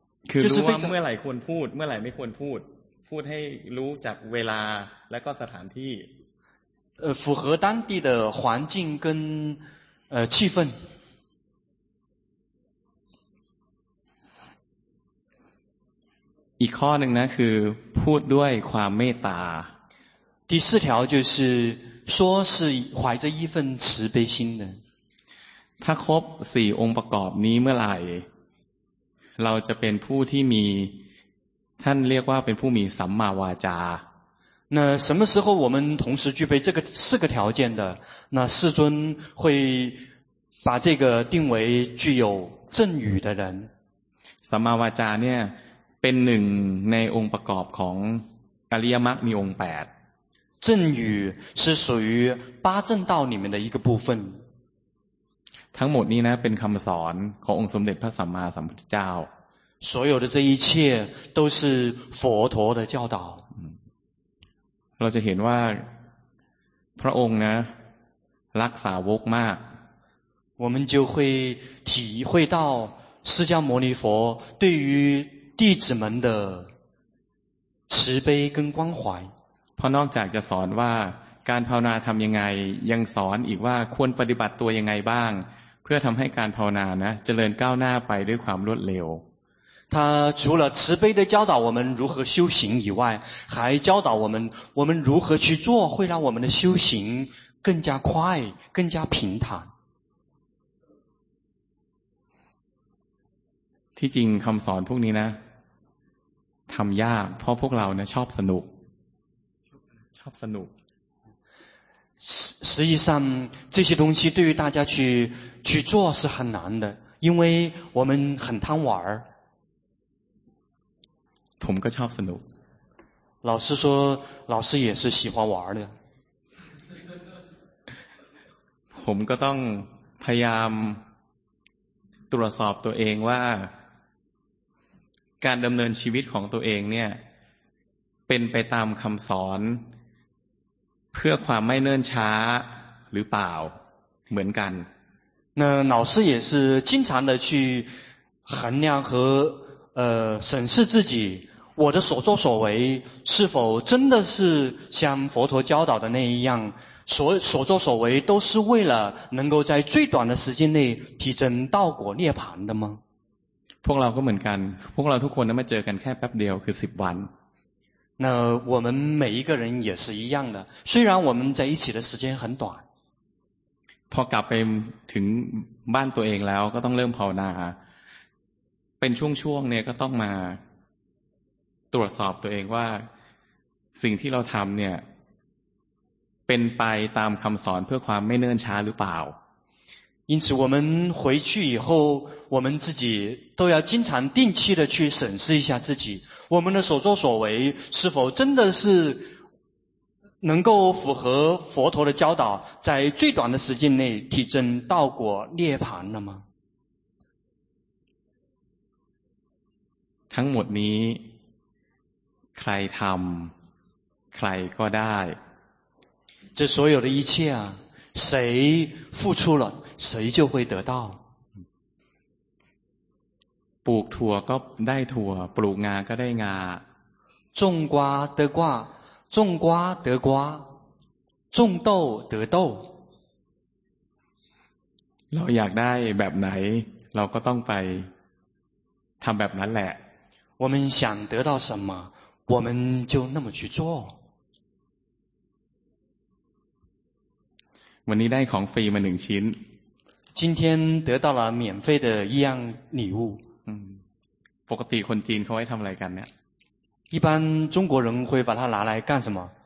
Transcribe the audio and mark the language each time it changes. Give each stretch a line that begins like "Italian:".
Thai: คือรู้ว่าเมื่อไหร่ควรพูดเมื่อไหร่ไม่ควรพูดพูดให้รู้จักเวลาและก็สถานที่
Chinese: 符合当地的环境跟气氛
Thai: อีกข้อหนึ่งนะคือพูดด้วยความเมตตา
Chinese: 第四条就是说是怀着一份慈悲心的
Thai: ถ้าครบสี่องค์ประกอบนี้เมื่อไหร่เราจะเป็นผู้ที่มีท่านเรียกว่าเป็นผู้มีสัมมาวาจา
Chinese: 那什么时候我们同时具备这个四个条件的那世尊会把这个定为具有正语的人
Thai: สัมมาวาจาเนี่ยเป็นหนึ่งในองค์ประกอบของอริยมรรคมีองค์แปด
Chinese: 正语是属于八正道里面的一个部分
Thai: ทั้งหมดนี้นะเป็นคำสอนขององค์สมเด็จพระสัมมาสัมพุทธเจ้า
Chinese: 所有的这一切都是佛陀的教导
Thai: เราจะเห็นว่าพระองค์นะรักสาวกมาก
Chinese: 我们就会体会到释迦牟尼佛对于弟子们的慈悲跟关怀
Thai: เพราะนอกจากจะสอนว่าการภาวนาทำยังไงยังสอนอีกว่าควรปฏิบัติตัวยังไงบ้างเพื่อทำให้การภาวนานะเจริญก้าวหน้าไปด้วยความรวดเร็ว
Chinese: 他除了慈悲的教导我们如何修行以外还教导我们如何去做会让我们的修行更加快更加平坦
Thai: ที่จริงคำสอนพวกนี้นะทำยากเพราะพวกเราเนี่ยชอบสนุกชอบสนุก
Chinese: 实际上这些东西对于大家去做是很难的因为我们很贪玩
Thai: ผมก็ชอบสนุก
Chinese: 老师说老师也是喜欢玩的
Thai: ผมก็ต้องพยายามตรวจสอบตัวเองว่าการดำเนินชีวิตของตัวเองเนี่ยเป็นไปตามคำสอนเพื่อความไม่เนิ่นช้าหรือเปล่าเหมือนกัน
Chinese: 那老师也是经常的去衡量和审视自己我的所作所为是否真的是像佛陀教导的那一样 所作所为都是为了能够在最短的时间内提升道果涅槃的吗
Thai: พวกเราก็เหมือนกันพวกเราทุกคนนั้นมาเจอกันแค่แป๊บเดียวคือ10วัน
Chinese: 那我们每一个人也是一样的虽然我们在一起的时间很短
Thai: พอกลับไปถึงบ้านตัวเองแล้วก็ต้องเริ่มภาวนาเป็นช่วงๆเนี่ยก็ต้องมาตรวจสอบตัวเองว่าสิ่งที่เราทำเนี่ยเป็นไปตามคำสอนเพื่อความไม่เนิ่นช้าหรือเปล่า
Chinese: 因此我们回去以后我们自己都要经常定期的去审视一下自己我们的所作所为是否真的是能够符合佛陀的教导在最短的时间内提证道果涅槃了吗
Thai: ทั้งหมดนี้ใครทำใครก็ได้
Chinese: 这所有的一切啊谁付出了谁就会得到
Thai: ปลูกถั่วก็ได้ถั่วปลูกงาก็ได้งา
Chinese: 种瓜得瓜种瓜得瓜种豆得豆
Thai: เราอยากได้แบบไหนเราก็ต้องไปทำแบบนั้นแหละ
Chinese: 我们想得到什么我们就那么去做
Thai: วันนี้ได้ของฟรีมา1ชิ้น
Chinese: 今天得到了免费的一样礼物
Thai: ปกติคนจีนเขาไว้ทำอะไรกันเนี่ย
Chinese: 一般中国人会把它拿来干什么